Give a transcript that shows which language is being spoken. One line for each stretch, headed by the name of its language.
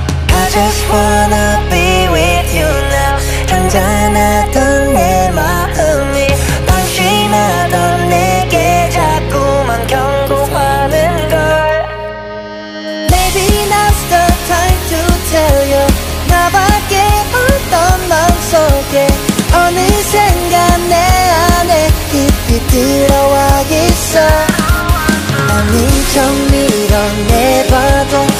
English: I just wanna be with you now.
Korean: 잔잔하던 내 마음이 방심하던 내게 자꾸만 경고하는 걸.
English: Maybe now's the time to tell you.
Korean: 나밖에 없던 마음속에 어느샌가 내 안에 깊이 들어와 있어.
English: I need to meet on never go.